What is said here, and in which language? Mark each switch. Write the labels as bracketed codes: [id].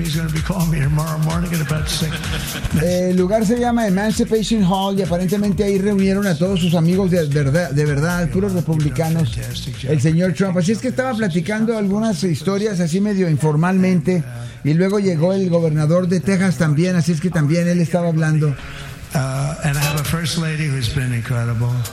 [en] He's going to be calling me tomorrow morning at about 6. [es] El lugar se llama Emancipation Hall y aparentemente ahí reunieron a todos sus amigos de verdad, puros republicanos, el señor Trump. Así es que estaba platicando algunas historias así medio informalmente. Y luego llegó el gobernador de Texas también, así es que también él estaba hablando. [en] And I have a first lady who's been incredible.